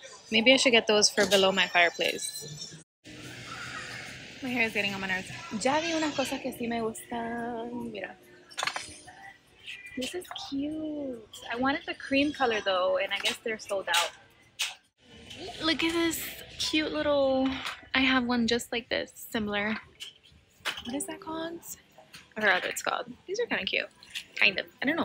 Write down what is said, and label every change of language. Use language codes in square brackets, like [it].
[en] Maybe I should get those for below my fireplace. My hair is getting on my nerves. [es] Ya vi unas cosas que sí me gustan. [en] Mira. This is cute. I wanted the cream color though, and I guess they're sold out. Look at this cute little... I have one just like this, similar. What is that called? I forgot what it's called. These are kind of cute. Kind of. I don't know.